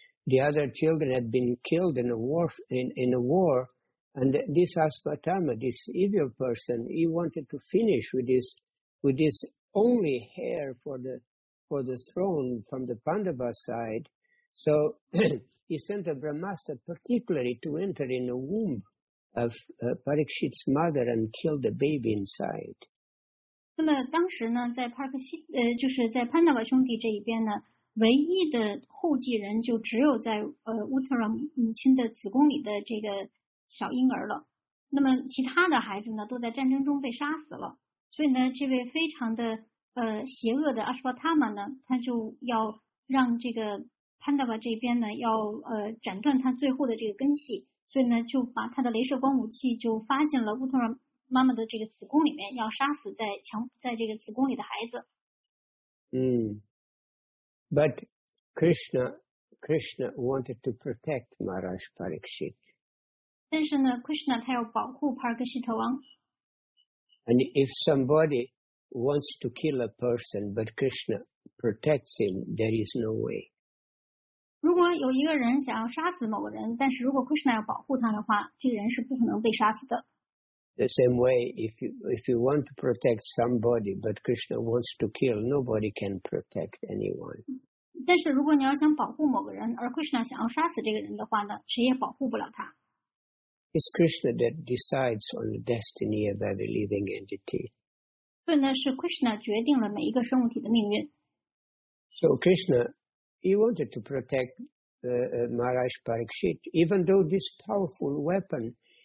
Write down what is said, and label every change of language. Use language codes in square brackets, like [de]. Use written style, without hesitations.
[en] The other children had been killed in a war, in a war, and this Ashwatthama, this evil person, he wanted to finish with this only heir for the throne from the Pandava side. So he sent a Brahmastra particularly to enter in the womb of Parikshit's mother and kill the baby inside. [zh] 那么当时呢在帕克西就是在潘达瓦兄弟这一边呢唯一的后继人就只有在乌特拉母亲的子宫里的这个小婴儿了。那么其他的孩子呢都在战争中被杀死了。所以呢这位非常的邪恶的阿什巴塔玛呢他就要让这个潘达瓦这边呢要斩断他最后的这个根系。所以呢就把他的雷射光武器就发进了乌特拉妈妈的这个子宫里面要杀死在墙在这个子宫里的孩子。 [en] But Krishna wanted to protect Maharaj Parikshit. [zh] 但是呢 ,Krishna 他要保护 Parikshit 王。 [en] And if somebody wants to kill a person, but Krishna protects him, there is no way. [zh] 如果有一个人想要杀死某个人但是如果 Krishna 要保护他的话这个人是不可能被杀死的。 [en] The same way, if you want to protect somebody, but Krishna wants to kill, nobody can protect anyone. [zh] 但是如果你要想保护某个人，而 Krishna 想要杀死这个人的话呢，谁也保护不了他。 [en] It's Krishna that decides on the destiny of every living entity. [zh] 所以呢，是 Krishna 决定了每一个生物体的命运。 [en] So Krishna, he wanted to protect Maharaj Parikshit, even though this powerful weapon.